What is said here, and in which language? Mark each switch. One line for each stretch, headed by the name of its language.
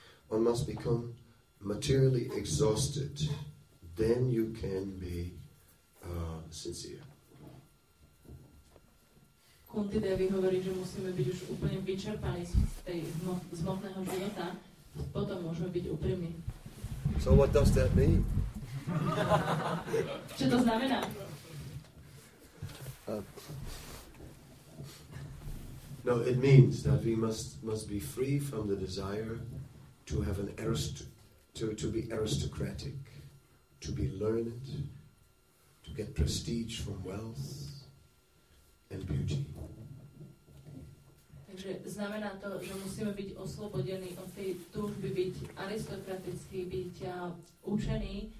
English: One must become materially exhausted, then you can be sincere.
Slovak: Kunti Devi hovorí, že musíme byť už úplne vyčerpaní z hmotného života, potom môžeme byť úprimní.
English: So what does that mean?
Slovak: Čo to znamená?
English: No, it means that we must be free from the desire to have an to be aristocratic, to be learned, to get prestige from wealth and beauty.
Slovak: Takže znamená to, že musíme byť oslobodení od tej túžby byť aristokratický, byť učený.